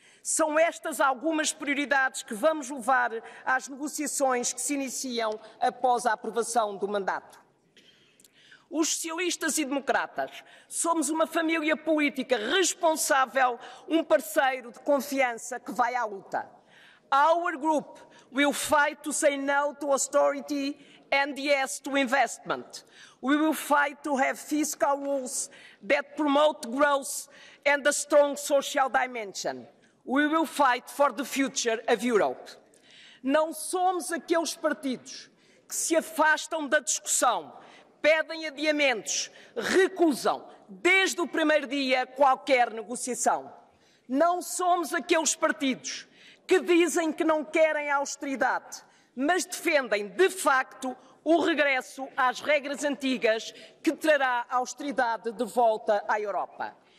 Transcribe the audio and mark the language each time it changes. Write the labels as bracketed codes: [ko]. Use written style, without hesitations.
[pt] São estas algumas prioridades que vamos levar às negociações que se iniciam após a aprovação do mandato. Os socialistas e democratas somos uma família política responsável, um parceiro de confiança que vai à luta. [en] Our group will fight to say no to austerity and yes to investment. We will fight to have fiscal rules that promote growth and a strong social dimension. We will fight for the future of Europe. [pt] Não somos aqueles partidos que se afastam da discussão, pedem adiamentos, recusam, desde o primeiro dia, qualquer negociação. Não somos aqueles partidos que dizem que não querem austeridade, mas defendem, de facto, o regresso às regras antigas que trará a austeridade de volta à Europa.